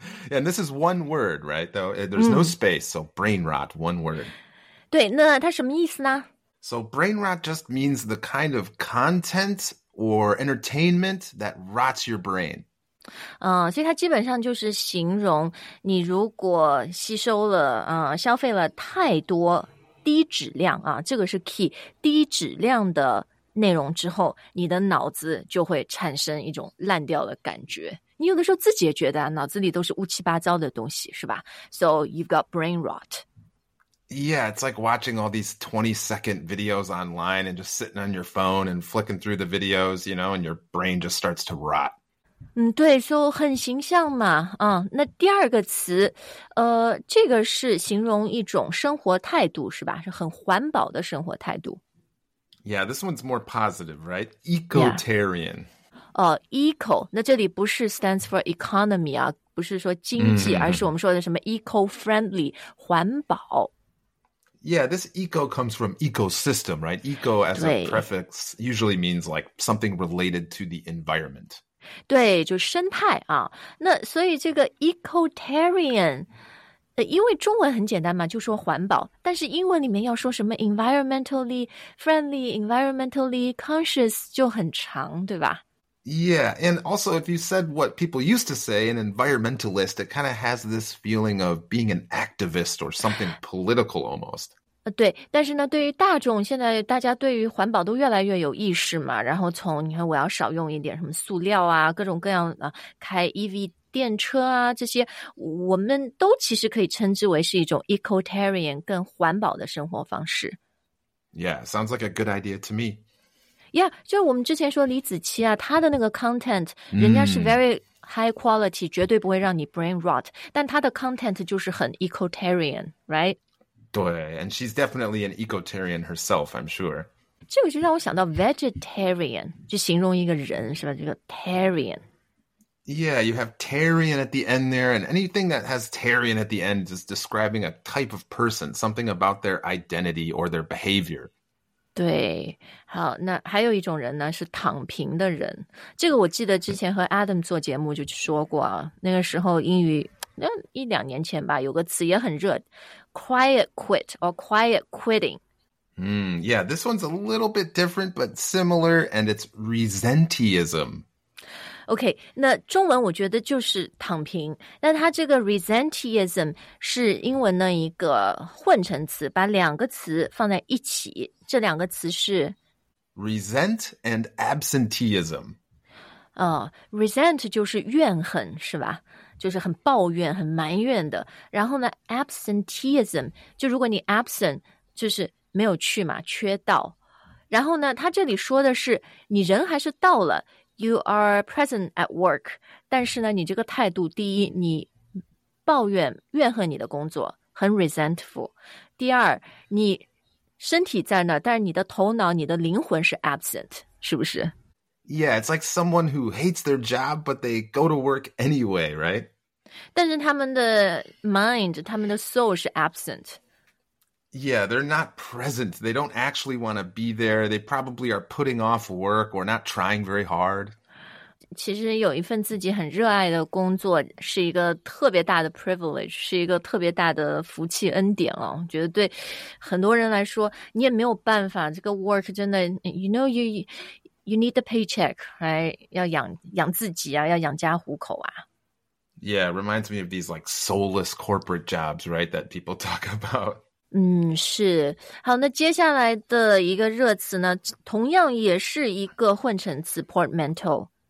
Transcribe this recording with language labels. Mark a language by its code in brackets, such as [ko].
[en] And this is one word, right? Though there's no space, so brain rot, one word. [zh] 对，那它什么意思呢？ [en] So brain rot just means the kind of content or entertainment that rots your brain. [zh] 所以它基本上就是形容你如果吸收了消费了太多低质量啊，这个是 key， 低质量的内容之后，你的脑子就会产生一种烂掉的感觉。你有的时候自己也觉得脑子里都是乌七八糟的东西，是吧？ [en] So you've got brain rot. Yeah, it's like watching all these 20-second videos online and just sitting on your phone and flicking through the videos, you know, and your brain just starts to rot. [zh] 对， so 很形象嘛。那第二个词，这个是形容一种生活态度，是吧？是很环保的生活态度。 [en] Yeah, this one's more positive, right? Ecotarian. Yeah. [zh] Eco, 那这里不是 [en] stands for economy [zh] 啊，不是说经济，而是我们说的什么 eco-friendly, 环保。 [en] Yeah, this eco comes from ecosystem, right? Eco as a prefix usually means like something related to the environment. [zh] 对，就生态啊。那所以这个 ecotarian... 因为中文很简单嘛，就说环保，但是英文里面要说什么 [en] environmentally friendly, environmentally conscious [zh] 就很长，对吧？ [en] Yeah, and also if you said what people used to say, an environmentalist, it kind of has this feeling of being an activist or something political almost. [zh] 对，但是呢，对于大众，现在大家对于环保都越来越有意识嘛，然后从你看我要少用一点什么塑料啊，各种各样的开 EV电车啊，这些我们都其实可以称之为是一种 ecotarian 更环保的生活方式。 [en] Yeah, sounds like a good idea to me. [zh] Yeah, 就我们之前说李子柒啊，他的那个 content, 人家是 [en] very high quality, [zh] 绝对不会让你 brain rot, 但他的 content 就是很 ecotarian, right? [en] 对 ,and she's definitely an ecotarian herself, I'm sure. [zh] 这个就让我想到 vegetarian, 就形容一个人是吧，这个 tarian。 [en] Yeah, you have tarian at the end there, and anything that has tarian at the end is describing a type of person, something about their identity or their behavior. [zh] 对，好，那还有一种人呢，是躺平的人。这个我记得之前和 Adam 做节目就说过，那个时候英语，那一两年前吧，有个词也很热 ,quiet quit or quiet quitting. [en] Yeah, this one's a little bit different, but similar, and it's resenteeism. [zh] OK, 那中文我觉得就是躺平，但它这个 resenteeism 是英文的一个混成词，把两个词放在一起，这两个词是 [en] resent and absenteeism. [zh] Resent 就是怨恨是吧，就是很抱怨很埋怨的，然后呢 absenteeism 就如果你 absent 就是没有去嘛，缺到，然后呢它这里说的是你人还是到了， [en] You are present at work, [zh] 但是呢，你这个态度，第一，你抱怨、怨恨你的工作，很 resentful。第二，你身体在那，但是你的头脑、你的灵魂是 absent, 是不是？ [en] Yeah, it's like someone who hates their job, but they go to work anyway, right? [zh] 但是他们的 mind, 他们的 soul 是 absent。 [en] Yeah, they're not present. They don't actually want to be there. They probably are putting off work or not trying very hard. [zh] 其实有一份自己很热爱的工作是一个特别大的 privilege, 是一个特别大的福气恩典哦。觉得对很多人来说，你也没有办法。这个 work 真的 [en] ，you know you need the paycheck, right? [zh] 要养自己啊，要养家糊口啊。 [en] Yeah, it reminds me of these like soulless corporate jobs, right? That people talk about. [zh] 是好，那接下来的一个热词呢，同样也是一个混成词 portmanteau。